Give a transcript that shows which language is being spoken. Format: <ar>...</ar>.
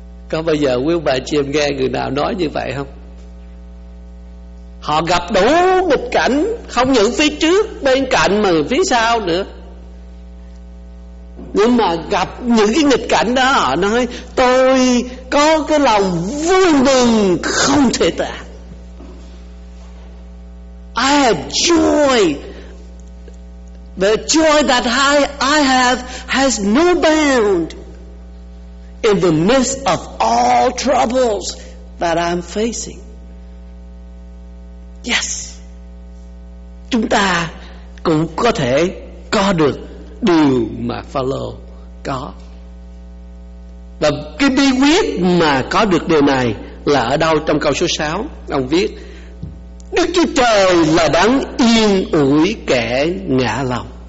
<vi>Có bao giờ quý bà chị em nghe người nào nói như vậy không? Họ gặp đủ nghịch cảnh, không những phía trước bên cạnh mà phía sau nữa, nhưng mà gặp những cái nghịch cảnh đó, họ nói tôi có cái lòng vui mừng không thể tả.</vi> <en>I have joy. The joy that I have has no bound in the midst of all troubles that I'm facing. Yes.</en> <vi>Chúng ta cũng có thể có được điều mà Phaolô có. Và cái bí quyết mà có được điều này là ở đâu? Trong câu số 6 ông viết: Đức Chúa Trời là đấng yên ủi kẻ ngã lòng.</vi>